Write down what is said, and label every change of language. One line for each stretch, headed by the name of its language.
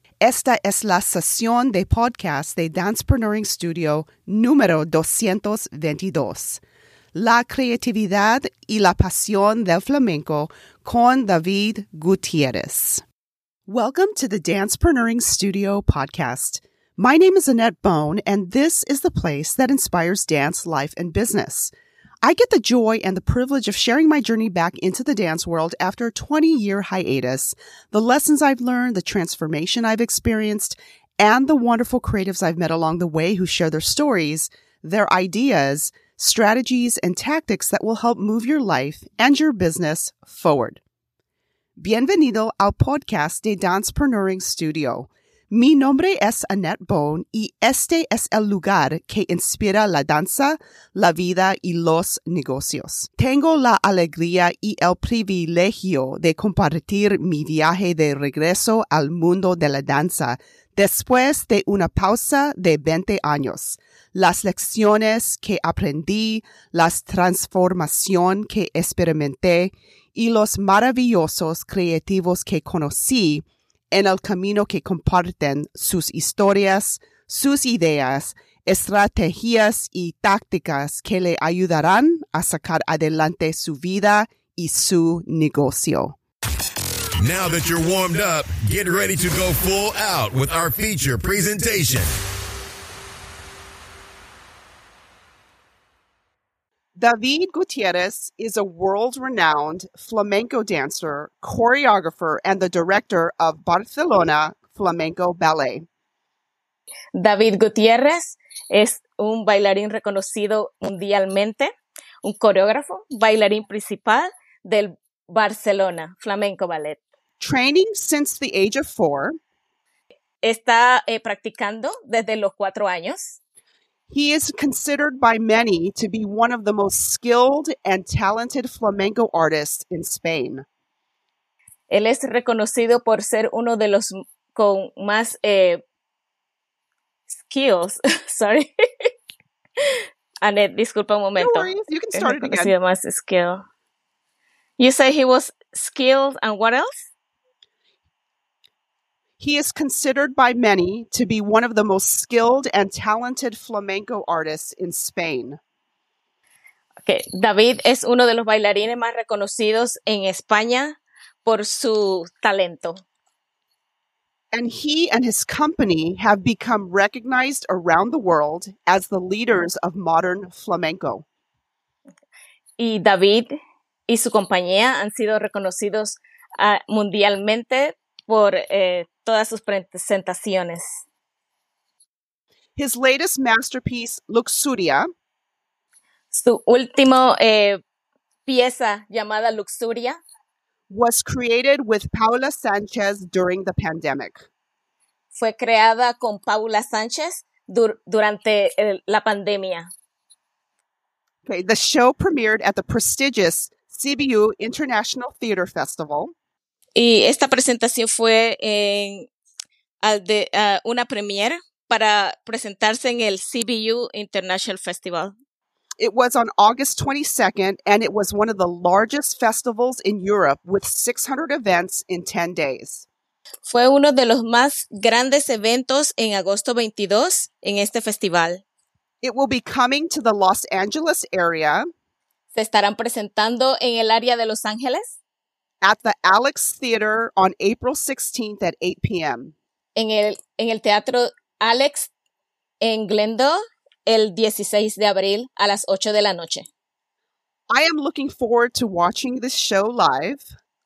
Spanish: Esta es la sesión de podcast de Dancepreneuring Studio número 222, La Creatividad y la Pasión del Flamenco con David Gutierrez.
English: Welcome to the Dancepreneuring Studio podcast. My name is Annette Bone, and this is the place that inspires dance, life, and business. I get the joy and the privilege of sharing my journey back into the dance world after a 20-year hiatus, the lessons I've learned, the transformation I've experienced, and the wonderful creatives I've met along the way who share their stories, their ideas, strategies, and tactics that will help move your life and your business forward.
Spanish: Bienvenido al podcast de Dancepreneuring Studio. Mi nombre es Annette Bone y este es el lugar que inspira la danza, la vida y los negocios. Tengo la alegría y el privilegio de compartir mi viaje de regreso al mundo de la danza después de una pausa de 20 años. Las lecciones que aprendí, las transformación que experimenté y los maravillosos creativos que conocí en el camino que comparten sus historias, sus ideas, estrategias y tácticas que le ayudarán a sacar adelante su vida y su negocio.
English: Now that you're warmed up, get ready to go full out with our feature presentation. David Gutierrez is a world-renowned flamenco dancer, choreographer, and the director of Barcelona Flamenco Ballet.
Spanish: David Gutierrez es un bailarín reconocido mundialmente, un coreógrafo, bailarín principal del Barcelona Flamenco Ballet.
English: Training since the age of 4.
Spanish: Está practicando desde los 4 años.
English: He is considered by many to be one of the most skilled and talented flamenco artists in Spain.
Spanish: Él es reconocido por ser uno de los con más skills.
English: Sorry.
Spanish: Annette, disculpa un momento.
English: No worries, you can start it again.
Spanish: Reconocido más skill.
English: You say he was skilled and what else? He is considered by many to be one of the most skilled and talented flamenco artists in Spain.
Spanish: Okay, David es uno de los bailarines más reconocidos en España por su talento.
English: And he and his company have become recognized around the world as the leaders of modern flamenco.
Spanish: Y David y su compañía han sido reconocidos mundialmente por todas sus presentaciones.
English: His latest masterpiece, Luxuria.
Spanish: Su último pieza llamada Luxuria.
English: Was created with Paula Sánchez during the pandemic.
Spanish: Fue creada con Paula Sánchez durante la pandemia.
English: Okay, the show premiered at the prestigious CBU International Theater Festival.
Spanish: Y esta presentación fue una premiere para presentarse en el CBU International Festival.
English: It was on August 22nd, and it was one of the largest festivals in Europe with 600 events in 10 days.
Spanish: Fue uno de los más grandes eventos en agosto 22 en este festival.
English: It will be coming to the Los Angeles area.
Spanish: Se estarán presentando en el área de Los Ángeles.
English: At the Alex Theater on April 16th at 8 p.m.
Spanish: En el Teatro Alex en Glendale el 16 de abril a las 8 de la noche.
English: I am looking forward to watching this show live.